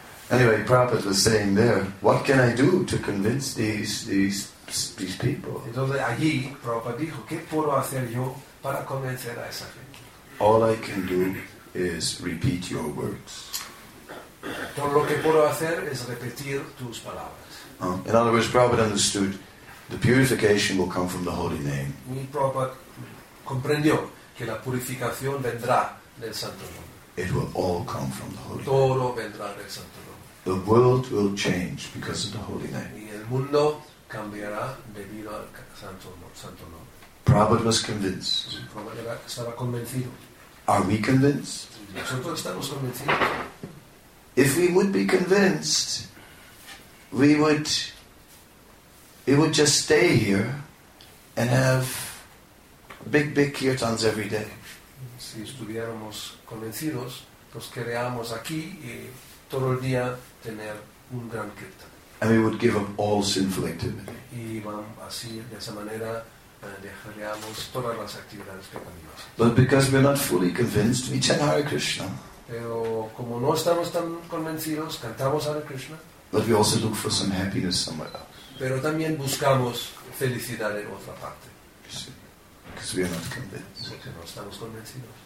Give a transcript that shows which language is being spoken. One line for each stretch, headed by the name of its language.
English: Anyway, Prabhupada was saying there, what can I do to convince these people?
Spanish: Entonces allí Prabhupada dijo, ¿qué puedo hacer yo para convencer a esa gente?
English: All I can do is repeat your words.
Spanish: Todo lo que puedo hacer es repetir tus palabras.
English: In other words, Prabhupada understood the purification will come from the holy name.
Spanish: Y Prabhupada comprendió que la purificación vendrá del santo nombre.
English: It will all come from the holy
Spanish: todo
English: name.
Spanish: Todo vendrá del santo nombre.
English: The world will change because of the holy name.
Spanish: Y el mundo cambiará debido al santo nombre.
English: Prabhupada was convinced.
Spanish: Prabhupada estaba convencido.
English: Are we convinced?
Spanish: Nosotros estamos convencidos.
English: If we would be convinced, we would just stay here and have big kirtans every day.
Spanish: Si estuviéramos convencidos, pues queríamos aquí y todo el día tener un gran kirtan.
English: And we would give up all sinful activity.
Spanish: Y vamos así, de esa manera, dejaríamos todas las actividades pecaminosas.
English: But because we're not fully convinced, we chant Hare Krishna.
Spanish: Pero como no estamos tan convencidos, cantamos Hare Krishna.
English: But we also look for some happiness somewhere else.
Spanish: Pero también buscamos felicidad en otra parte.
English: Because we are not convinced.
Spanish: Porque no estamos convencidos.